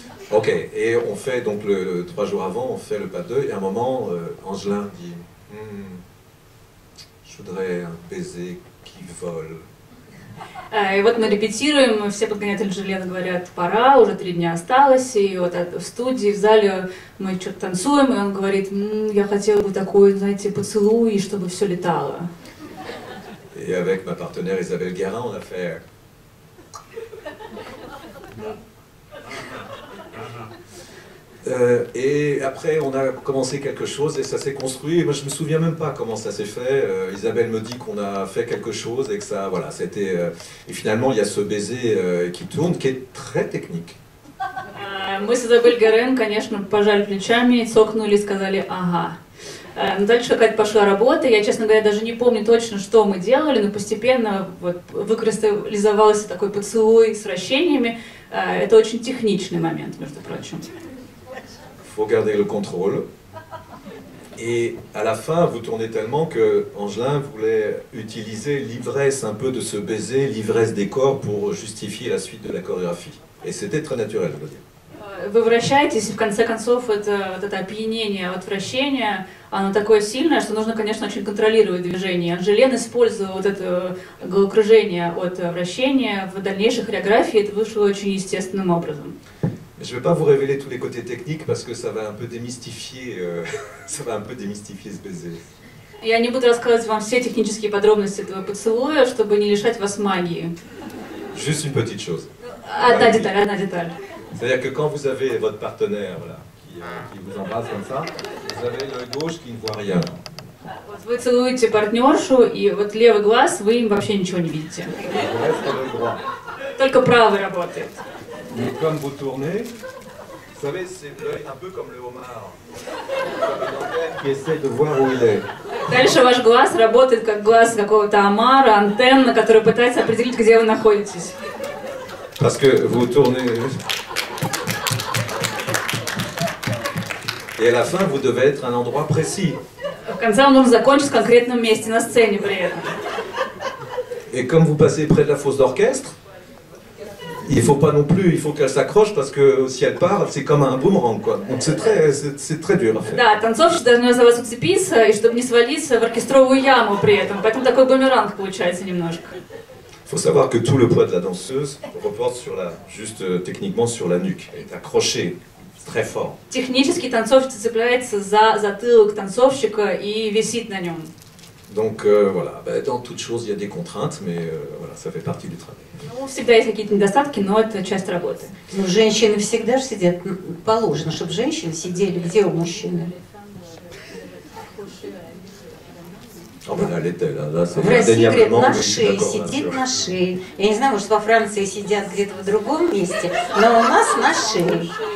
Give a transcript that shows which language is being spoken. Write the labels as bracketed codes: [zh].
[fr] Ok, et on fait donc le trois jours avant, on fait le pas deux, et à un moment, Angelin dit je voudrais un baiser qui vole. Et [ru] вот мы репетируем, все подгонятели Жилет говорят, пора, уже три дня осталось, и вот в студии, в зале мы что-то танцуем, и он говорит, я хотел бы такой, знаете, поцелуй, чтобы все летало. [fr] Et avec ma partenaire Isabelle Guérin, on a fait... Et après, on a commencé quelque chose et ça s'est construit. Moi, je me souviens même pas comment ça s'est fait. Isabelle me dit qu'on a fait quelque chose et que ça, voilà, c'était. Et finalement, il y a ce baiser qui tourne, qui est très technique. [ru] Мы с Изабель Гарен, конечно, пожали плечами, цокнули, сказали, ага. Дальше какая-то пошла работа. Я, честно говоря, даже не помню точно, что мы делали, но постепенно вот выкристаллизовался такой поцелуй с вращениями. Это очень техничный момент, между прочим. [fr] Faut garder le contrôle. Et à la fin, vous tournez tellement que Angelin voulait utiliser l'ivresse un peu de ce baiser, l'ivresse des corps pour justifier la suite de la chorégraphie. Et c'était très naturel, je veux dire. [ru] Вы вращаетесь, и в конце концов это опьянение, отвращение, оно такое сильное, что нужно, конечно, очень контролировать движение. Анжелен использовал вот это головокружение от вращения в дальнейшей хореографии, это вышло очень естественным образом. [fr] Je ne vais pas vous révéler tous les côtés techniques, parce que ça va un peu démystifier, ça va un peu démystifier ce baiser. [ru] Я не буду рассказывать вам все технические подробности этого поцелуя, чтобы не лишать вас магии. [fr] Juste une petite chose. [ru] Одна деталь, одна деталь. [fr] C'est-à-dire que quand vous avez votre partenaire voilà, qui vous embrasse comme ça, vous avez l'œil gauche qui ne voit rien. Vous saluez votre partenaire et votre [ru] левый глаз, [fr] vous ne voyez rien. Le reste est le droit. [ru] Только правый работает. [fr] Mais comme vous tournez, Vous savez, c'est l'œil un peu comme le homard. Qui essaie de voir où il est. [ru] Дальше ваш глаз работает как глаз какого-то омара, антенна, которая пытается определить, где вы находитесь. [fr] Parce que vous tournez. Et à la fin, vous devez être à un endroit précis. [ru] В конце он должен закончить в конкретном месте на сцене при этом. [fr] Et comme vous passez près de la fosse d'orchestre, il faut pas non plus, il faut qu'elle s'accroche parce que si elle part, c'est comme un boomerang quoi. Donc c'est très dur. [ru] Да, танцовщик должен за вас уцепиться и чтобы не свалиться в оркестровую яму при этом. Поэтому такой бумеранг получается немножко. [fr] Il faut savoir que tout le poids de la danseuse reporte sur la juste techniquement sur la nuque. Elle est accrochée très fort. [ru] Технически танцовщик цепляется за затылок танцовщика и висит на нем. [fr] Donc voilà, bah, dans toute chose il y a des contraintes, mais voilà, ça fait partie du travail. [ru] Ну, всегда есть какие-то недостатки, но это часть работы. Ну, женщины всегда же сидят, положено, чтобы женщины сидели где у мужчины. [fr] Oh, ben, là, c'est [ru] в России говорят, на шее, сидит на шее. Я не знаю, может во Франции сидят где-то в другом месте, но у нас на шее.